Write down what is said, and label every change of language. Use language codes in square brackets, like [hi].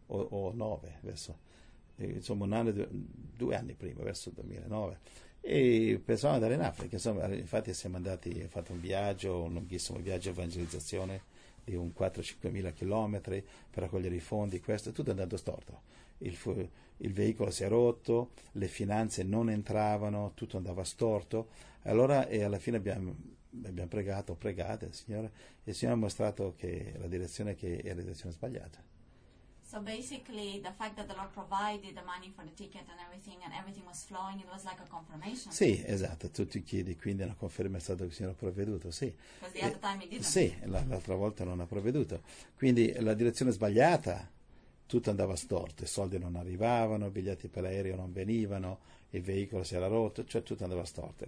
[it] O 9, verso, insomma un anno, 2 anni prima, verso il 2009, e pensavo di andare in Africa, insomma, infatti siamo andati, ho fatto un viaggio, un lunghissimo viaggio di evangelizzazione di un 4-5 mila chilometri per raccogliere i fondi, questo, tutto è andato storto, il veicolo si è rotto, le finanze non entravano, tutto andava storto, allora, e alla fine abbiamo pregato, pregate, Signore, e il Signore ha mostrato che la direzione che era la direzione sbagliata. [en] So basically, the fact that the Lord provided the money for the ticket and everything was flowing, it was like a confirmation. [it] Sì, esatto, tu ti chiedi, quindi una conferma è stata che il Signore ha provveduto, sì. [en] Because the other [it] E, [en] time it didn't. [it] sì, l'altra volta non ha provveduto. Quindi la direzione sbagliata, tutto andava storto, i soldi non arrivavano, i biglietti per l'aereo non venivano, il veicolo si era rotto, cioè tutto andava storto.